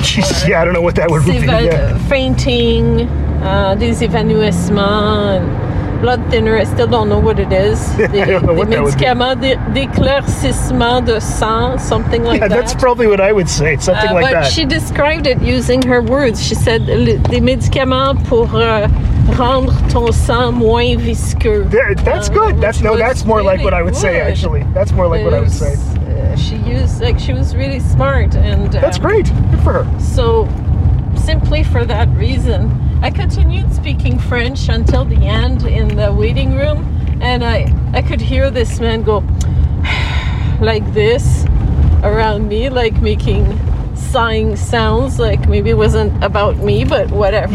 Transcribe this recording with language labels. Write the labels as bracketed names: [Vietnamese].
[English] I don't know what that would be. Fainting, [French] des évanouissements, [English] blood thinner, I still don't know what it is. [French] D'éclaircissement de sang, [English] something like that. That's probably what I would say, something like but that. But she described it using her words. She said, [French] des médicaments pour rendre ton sang moins visqueux. [English] That's good. That's more really like what I would say, actually. That's more like what I would say. She was really smart. And that's great. Good for her. So, simply for that reason, I continued speaking French until the end in the waiting room, and I could hear this man go like this around me, like making sighing sounds, like maybe it wasn't about me, but whatever.